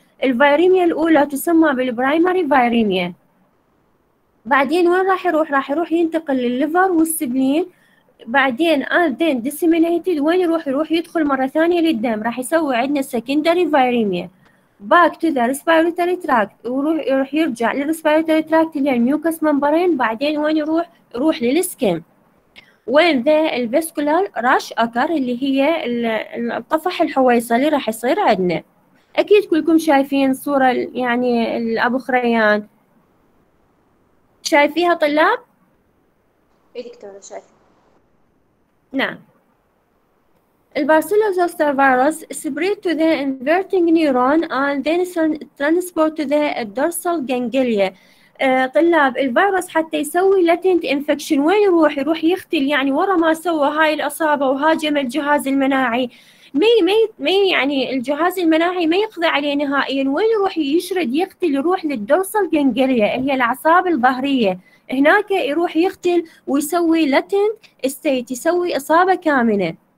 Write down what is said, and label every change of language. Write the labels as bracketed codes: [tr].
[ar] الفيريميا الاولى تسمى بالبرايمري فيريميا. بعدين وين راح يروح؟ راح يروح ينتقل للليفر والسبلين بعدين [en] then disseminated [ar] وين يروح؟ يروح يدخل مرة ثانية للدم راح يسوي عندنا [en] secondary viremia back to the respiratory tract [ar] وروح يروح يرجع للrespiratory tract اللي هي الميوكس ممبرين بعدين وين يروح؟ يروح للسكن وين ذا الفيسكولار راش أكر اللي هي الطفح الحويصلي راح يصير عندنا. أكيد كلكم شايفين صورة يعني الأبو خريان شايفيها طلاب؟ اي دكتورة شايف. نعم البارسيلا زوستر فيروس [en] spread to the inverting neuron and then transport to the dorsal ganglia. [ar] طلاب الفيروس حتى يسوي latent infection وين يروح؟ يروح يختل يعني ورا ما سوى هاي الأصابة وهاجم الجهاز المناعي ما يعني الجهاز المناعي ما يقضي عليه نهائيا وين يروح يشرد يقتل يروح للدورسال جنجليا اللي هي الاعصاب الظهريه هناك يروح يقتل ويسوي لاتنت ستيت يسوي اصابه كامنه